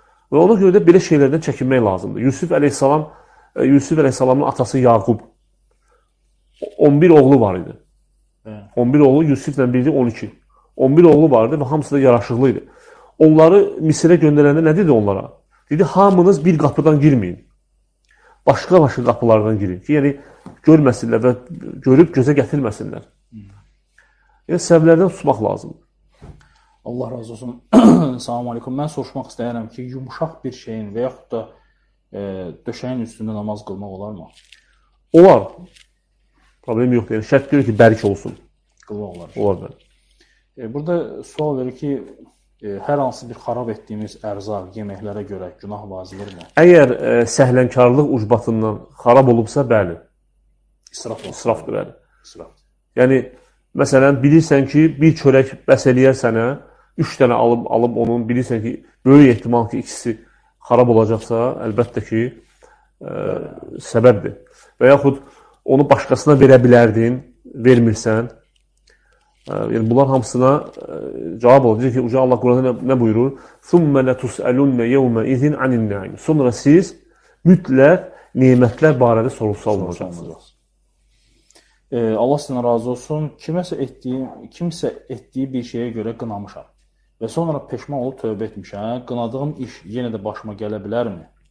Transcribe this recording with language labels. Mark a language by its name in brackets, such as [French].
[Azerbaijani] Və ona görə də belə şeylərdən çəkinmək lazımdır. Yusuf əleyhissalamın atası Yaqub 11 oğlu var idi. 11 oğlu Yusuflə birlikdə 12. 11 oğlu vardı və hamısı da yaraşıqlı idi. Onları Misirə göndərəndə nə dedi onlara? Dedi, hamınız bir qapıdan girməyin. Başqa-başqa qapılardan girin. Ki, yəni, görməsinlər və görüb gözə gətirməsinlər. Yəni, səhvlərdən tutmaq lazımdır. Allah razı olsun. Salamu aleykum. Mən soruşmaq istəyirəm ki, yumuşaq bir şeyin və yaxud da döşəyin üstündə namaz qılmaq olarmı? Olar. Problem yoxdur. Yəni, şərt görür ki, bərk olsun. Qılmaq olar. Olar bərk. Burada sual verir ki, hər hansı bir xarab etdiyimiz ərzaq, yeməklərə görə günah vacibdir mi? Əgər səhlənkarlıq ucbatından xarab olubsa, bəli. İsrafdır, bəli. İsrafdır. Yəni, məsələn, bilirsən ki, bir çörək bəs eləyər sənə, üç dənə alıb onun, bilirsən ki, böyük ehtimal ki, ikisi xarab olacaqsa, əlbəttə ki, səbəbdir. Və yaxud onu başqasına verə bilərdin, vermirsən. Yəni, bunlar hamısına cavab olur. Deyir ki, uca Allah Quranda nə buyurur? [Arabic] ثُمَّ لَتُسْأَلُنَّ يَوْمَ اِذِنْ عَنِ النَّعِمِ [Azerbaijani] Sonra siz mütləq nimətlər barədə sorulsa olunacaqsınız. Allah sizə razı olsun. Kimsə etdiyi bir şeyə görə qınamışam. Və sonra peşman olub tövbə etmişəm. Qınadığım iş yenə də başıma gələ bilərmi?